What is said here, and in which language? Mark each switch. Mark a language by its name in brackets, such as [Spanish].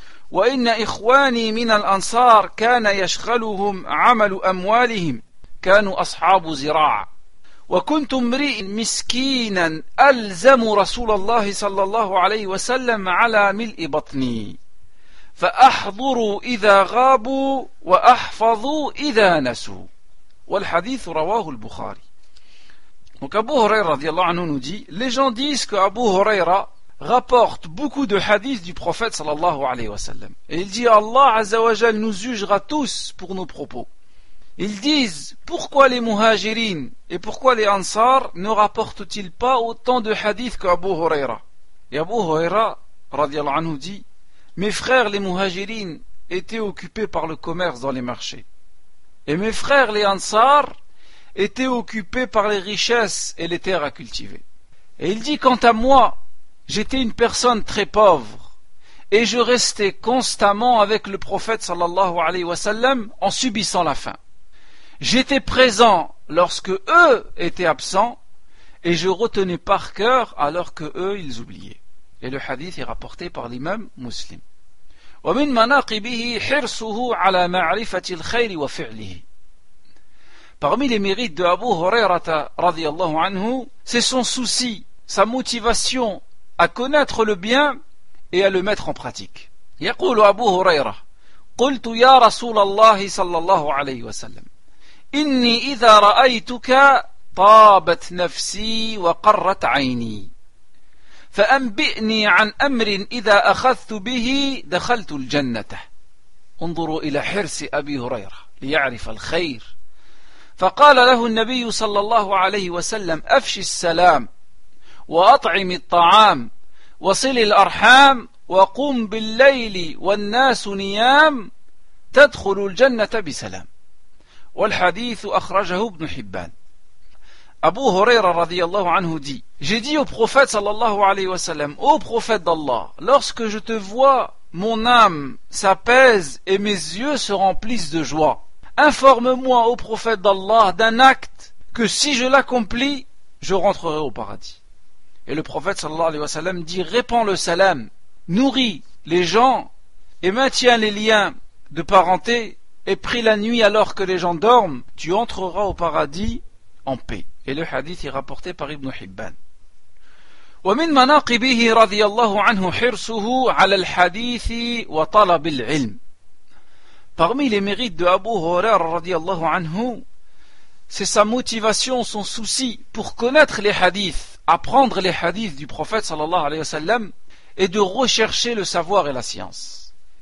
[Arabic] وإن إخواني من الأنصار كان يشغلهم عمل أموالهم كانوا أصحاب زراعة وكنت امرئ مسكينا ألزم رسول الله صلى الله عليه وسلم على ملء بطني فأحضر إذا غابوا وأحفظ إذا نسوا والحديث رواه البخاري. [French] Donc Abu Hurayra [Arabic] رضي الله عنه [French] nous dit, les gens disent que Abu Hurayra rapporte beaucoup de hadiths du prophète [Arabic] صلى الله عليه وسلم. [French] Et il dit, Allah [Arabic] عز وجل [French] nous jugera tous pour nos propos. Ils disent, pourquoi les muhajirin et pourquoi les ansar ne rapportent-ils pas autant de hadiths qu'Abu Huraira? Et Abu Huraira, [Arabic] radiallahu anhu, [French] dit, mes frères les muhajirin étaient occupés par le commerce dans les marchés. Et mes frères les ansar étaient occupés par les richesses et les terres à cultiver. Et il dit, quant à moi, j'étais une personne très pauvre. Et je restais constamment avec le prophète [Arabic] sallallahu alayhi wa sallam [French] en subissant la faim. J'étais présent lorsque eux étaient absents et je retenais par cœur alors que eux ils oubliaient. Et le hadith est rapporté par l'imam Muslim. [Arabic] ومن مناقبه حرصه على معرفة الخير وفعله. [French] Parmi les mérites de Abu Huraira [Arabic] رضي الله عنه, [French] c'est son souci, sa motivation à connaître le bien et à le mettre en pratique. [Arabic] يقول أبو هريرة قلت يا رسول الله صلى الله عليه وسلم إني إذا رأيتك طابت نفسي وقرت عيني فأنبئني عن أمر إذا أخذت به دخلت الجنة. انظروا إلى حرص أبي هريرة ليعرف الخير. فقال له النبي صلى الله عليه وسلم أفش السلام وأطعم الطعام وصل الأرحام وقم بالليل والناس نيام تدخل الجنة بسلام. والحديث أخرجه ابن حبان. أبو هريرة رضي الله عنه دي [French] J'ai dit au prophète [Arabic] sallallahu alayhi wa sallam, [French] ô prophète d'Allah, lorsque je te vois, mon âme s'apaise et mes yeux se remplissent de joie. Informe-moi, ô prophète d'Allah, d'un acte que si je l'accomplis, je rentrerai au paradis. Et le prophète [Arabic] sallallahu alayhi wa sallam [French] dit, répands le salam, nourris les gens et maintiens les liens de parenté et prie la nuit alors que les gens dorment, tu entreras au paradis en paix. Et le hadith est rapporté par Ibn Hibban. [Arabic] ومن مناقبه رضي الله عنه حرصه على الحديث وطلب العلم. [French] Parmi les mérites de Abu Hurairah [Arabic] رضي الله عنه, [French] c'est sa motivation, son souci pour connaître les hadiths, apprendre les hadiths du prophète [Arabic] صلى الله عليه وسلم [French] et de rechercher le savoir et la science.